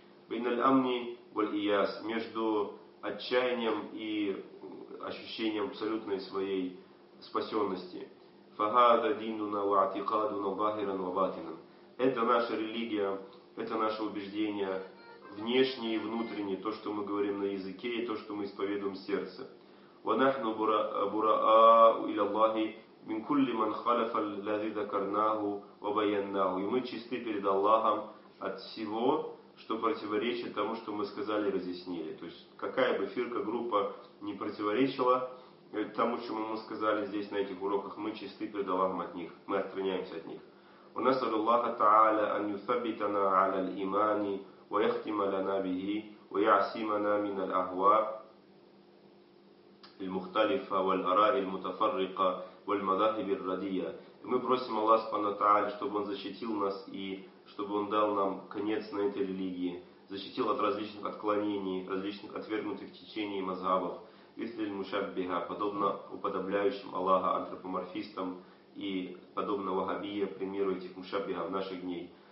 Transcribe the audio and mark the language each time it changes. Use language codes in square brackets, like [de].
[ar] Бейналь амни валь ияс, [ru] между отчаянием и ощущением абсолютной своей спасенности. [ar] Фагада диннуна ва атикадуна вахиран ва батинан. [ru] Это наша религия, это наше убеждение, внешнее и внутреннее, то, что мы говорим на языке и то, что мы исповедуем в сердце. [ar] وَنَحْنُ بُرَآءُ إِلَى اللَّهِ من كل من خلف الذي ذكرناه وبيناه. [ru] И мы чисты перед Аллахом от всего, что противоречит тому, что мы сказали и разъяснили. То есть, какая бы фирка, группа не противоречила тому, чему мы сказали здесь, на этих уроках, мы чисты перед Аллахом от них, мы отстраняемся от них. [ar] ونسأل الله تعالى أن يثبتنا على الإيمان ويختم لنا به ويعصمنا من الأهواء المختلفة والآراء المتفرقة والمذاهب الردية. [ru] Мы просим Аллах Субхана Тааля, чтобы Он защитил нас и чтобы Он дал нам конец на этой религии, защитил от различных отклонений, различных отвергнутых течений и мазхабов, мисль мушаббиха, подобно уподобляющим Аллаха антропоморфистам и подобно вахабия, примеру этих мушаббиха в наших дней.